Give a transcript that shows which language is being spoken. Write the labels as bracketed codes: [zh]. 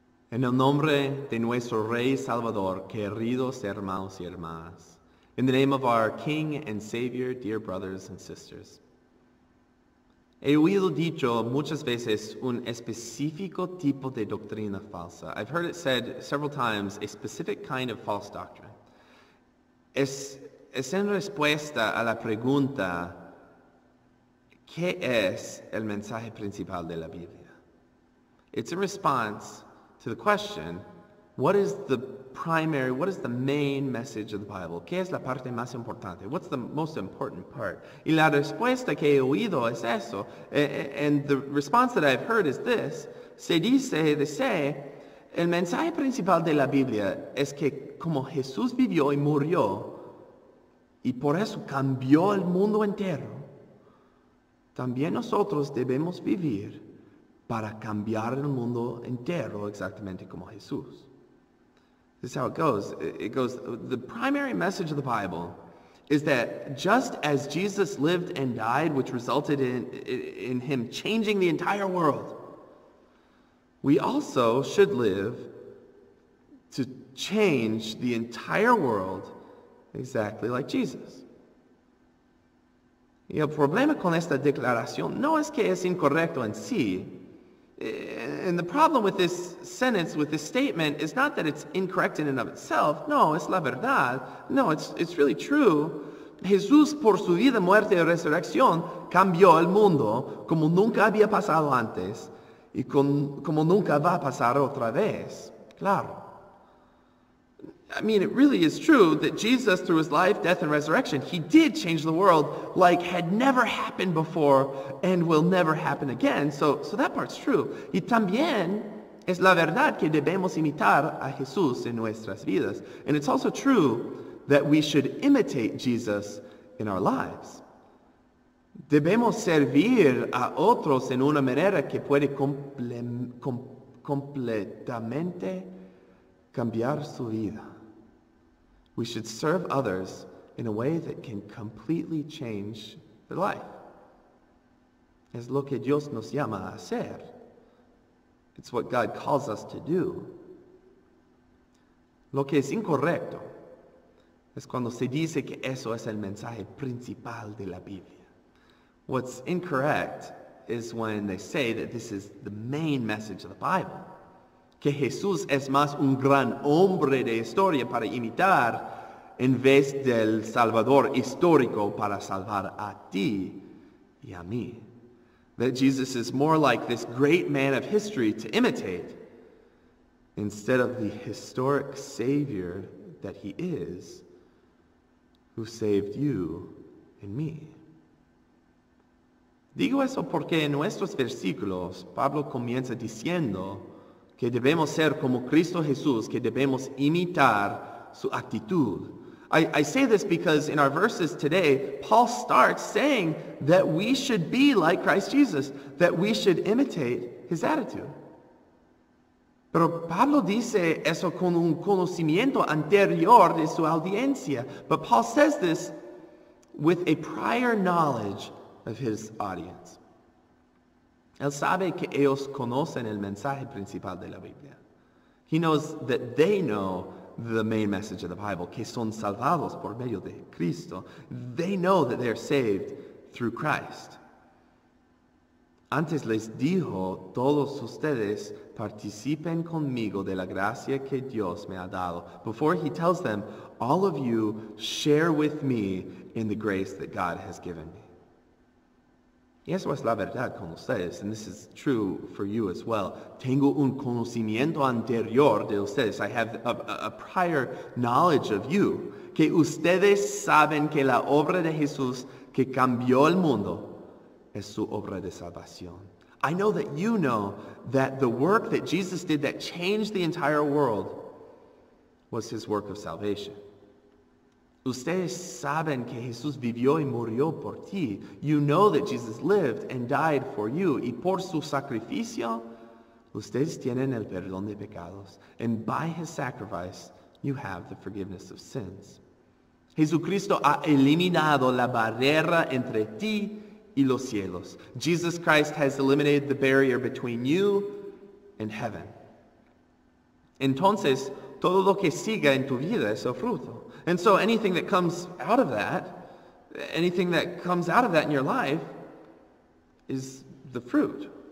[es] En el nombre de nuestro Rey Salvador, queridos hermanos y hermanas. [en] In the name of our King and Savior, dear brothers and sisters. [es] He oído dicho muchas veces un específico tipo de doctrina falsa. [en] I've heard it said several times, a specific kind of false doctrine. [es] Es en respuesta a la pregunta, ¿qué es el mensaje principal de la Biblia? [en] It's a response to the question, what is the main message of the Bible? [es] ¿Qué es la parte más importante? [en] What's the most important part? [es] Y la respuesta que he oído es eso. [en] And the response that I've heard is this. They say, [es] el mensaje principal de la Biblia es que como Jesús vivió y murió, y por eso cambió el mundo entero, también nosotros debemos vivir para cambiar el mundo entero exactamente como Jesús. [en] This is how it goes. It goes, the primary message of the Bible is that just as Jesus lived and died, which resulted in him changing the entire world, we also should live to change the entire world exactly like Jesus. [es] Y el problema con esta declaración no es que es incorrecto en sí. [en] And the problem with this sentence, with this statement, is not that it's incorrect in and of itself. [es] No, es la verdad. [en] No, it's really true. [es] Jesús, por su vida, muerte y resurrección, cambió el mundo como nunca había pasado antes y como nunca va a pasar otra vez. Claro. [en] I mean, it really is true that Jesus, through his life, death, and resurrection, he did change the world like had never happened before and will never happen again. So that part's true. [es] Y también es la verdad que debemos imitar a Jesús en nuestras vidas. [en] And it's also true that we should imitate Jesus in our lives. [es] Debemos servir a otros en una manera que puede completamente cambiar su vida. [en] We should serve others in a way that can completely change their life. [es] Es lo que Dios nos llama a hacer. [en] It's what God calls us to do. [es] Lo que es incorrecto es cuando se dice que eso es el mensaje principal de la Biblia. [en] What's incorrect is when they say that this is the main message of the Bible, [es] que Jesús es más un gran hombre de historia para imitar, en vez del Salvador histórico para salvar a ti y a mí. [en] That Jesus is more like this great man of history to imitate instead of the historic Savior that he is, who saved you and me. [es] Digo eso porque en nuestros versículos, Pablo comienza diciendo que debemos ser como Cristo Jesús, que debemos imitar su actitud. [en] I say this because in our verses today, Paul starts saying that we should be like Christ Jesus, that we should imitate his attitude. [es] Pero Pablo dice eso con un conocimiento anterior de su audiencia. [en] But Paul says this with a prior knowledge of his audience. [es] Él sabe que ellos conocen el mensaje principal de la Biblia. [en] He knows that they know the main message of the Bible, [es] que son salvados por medio de Cristo. [en] They know that they are saved through Christ. [es] Antes les dijo, todos ustedes participen conmigo de la gracia que Dios me ha dado. [en] Before he tells them, all of you share with me in the grace that God has given me. [es] Y eso es la verdad con ustedes, [en] and this is true for you as well. [es] Tengo un conocimiento anterior de ustedes. [en] I have a prior knowledge of you. [es] Que ustedes saben que la obra de Jesús que cambió el mundo es su obra de salvación. [en] I know that you know that the work that Jesus did that changed the entire world was his work of salvation. [es] Ustedes saben que Jesús vivió y murió por ti. [en] You know that Jesus lived and died for you. [es] Y por su sacrificio, ustedes tienen el perdón de pecados. [en] And by his sacrifice, you have the forgiveness of sins. [es] Jesucristo ha eliminado la barrera entre ti y los cielos. [en] Jesus Christ has eliminated the barrier between you and heaven. [es] Entonces, todo lo que siga en tu vida es el fruto. [en] And so anything that comes out of that, anything that comes out of that in your life is the fruit.